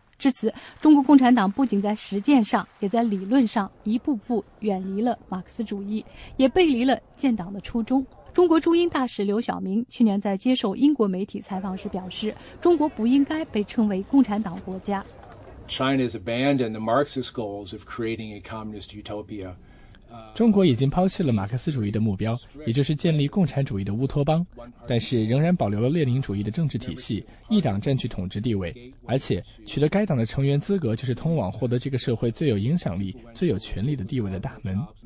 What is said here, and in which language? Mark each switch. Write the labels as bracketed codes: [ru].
[zh] 至此，中国共产党不仅在实践上，也在理论上一步步远离了马克思主义，也背离了建党的初衷。中国驻英大使刘晓明去年在接受英国媒体采访时表示，中国不应该被称为共产党国家。 [en] China's abandoned the Marxist goals of creating a communist utopia. [zh] 中国已经抛弃了马克思主义的目标，也就是建立共产主义的乌托邦，但是仍然保留了列宁主义的政治体系，一党占据统治地位，而且取得该党的成员资格就是通往获得这个社会最有影响力、最有权力的地位的大门。